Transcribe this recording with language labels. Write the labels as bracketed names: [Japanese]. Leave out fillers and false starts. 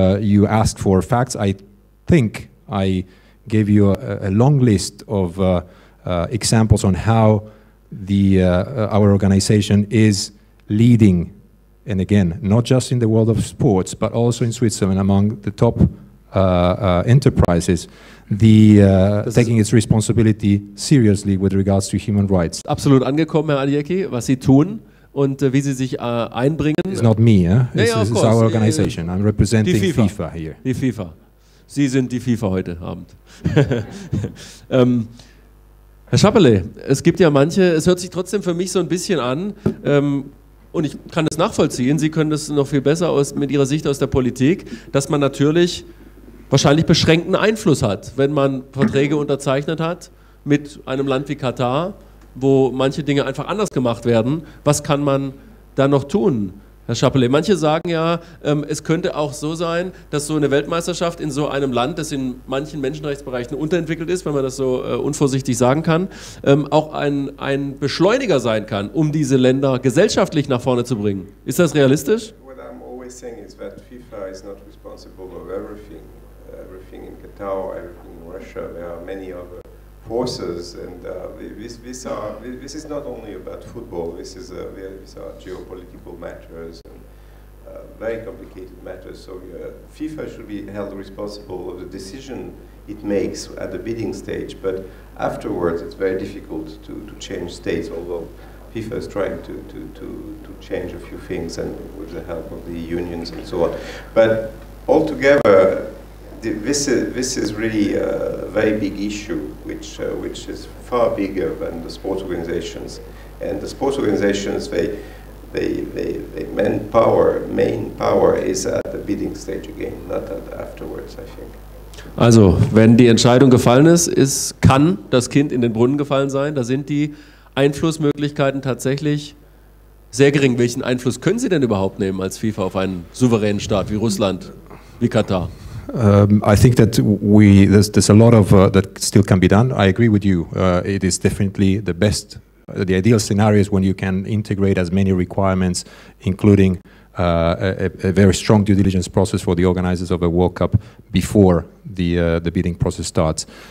[English] You asked for facts. I think I gave you a long list of examples on how our organization is leading, and again, not just in the world of sports, but also in Switzerland, among the top enterprises, taking its responsibility seriously with regards to human rights. [German] Absolut angekommen, Herr Adjeki, was Sie tun und wie Sie sich einbringen. [English] It's not me, it's our organization. I'm representing FIFA here. [German] Die FIFA. Sie sind die FIFA heute Abend. Herr Schappele, es gibt ja manche, es hört sich trotzdem für mich so ein bisschen an, und ich kann das nachvollziehen, Sie können das noch viel besser mit Ihrer Sicht aus der Politik, dass man natürlich wahrscheinlich beschränkten Einfluss hat, wenn man Verträge unterzeichnet hat mit einem Land wie Katar, wo manche Dinge einfach anders gemacht werden, was kann man da noch tun, Herr Chapelet? Manche sagen ja, es könnte auch so sein, dass so eine Weltmeisterschaft in so einem Land, das in manchen Menschenrechtsbereichen unterentwickelt ist, wenn man das so unvorsichtig sagen kann, auch ein Beschleuniger sein kann, um diese Länder gesellschaftlich nach vorne zu bringen. Ist das realistisch? [English] What I'm always saying is that FIFA is not responsible of everything. Everything in Qatar, everything in Russia, there are many other forces, and this is not only about football. This is these are geopolitical matters and very complicated matters. So FIFA should be held responsible of the decision it makes at the bidding stage. But afterwards, it's very difficult to change states. Although FIFA is trying to change a few things and with the help of the unions and so on. But altogether. This is really a very big issue, which is far bigger than the sports organizations. And the sports organizations, they main power is at the bidding stage again, not at afterwards, I think. [German] Also, wenn die Entscheidung gefallen ist, kann das Kind in den Brunnen gefallen sein. Da sind die Einflussmöglichkeiten tatsächlich sehr gering. Welchen Einfluss können Sie denn überhaupt nehmen als FIFA auf einen souveränen Staat wie Russland, wie Katar? [English] I think that there's a lot of that still can be done. I agree with you. It is definitely the best, the ideal scenario is when you can integrate as many requirements, including a very strong due diligence process for the organizers of a World Cup before the bidding process starts.